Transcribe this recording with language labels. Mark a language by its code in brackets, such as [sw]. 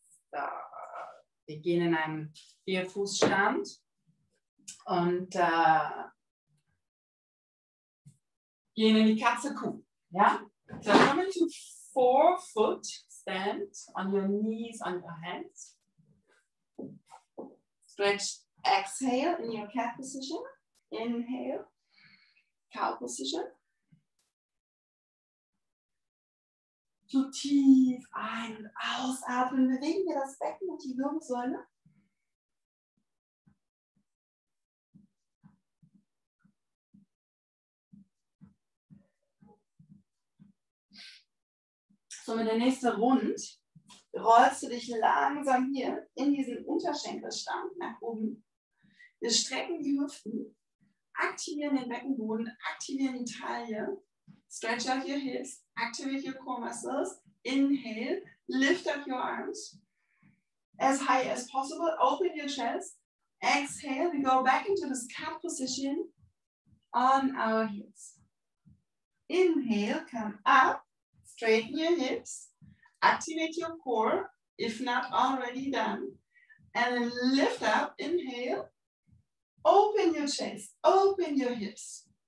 [de] So, wir gehen in einen Vierfußstand und gehen in die Katzekuh. [en] Yeah? So come into four-foot stand on your knees, on your hands. Stretch, exhale in your cat position. Inhale, cow position. [de] So tief ein- und ausatmen, bewegen wir das Becken und die Wirbelsäule. So, mit der nächsten Rund rollst du dich langsam hier in diesen Unterschenkelstand nach oben. Wir strecken die Hüften, aktivieren den Beckenboden, aktivieren die Taille. [en] Stretch out your hips, activate your core muscles, inhale, lift up your arms as high as possible, open your chest, exhale, we go back into this cat position on our heels. Inhale, come up, straighten your hips, activate your core, if not already done, and then lift up, inhale, open your chest, open your hips.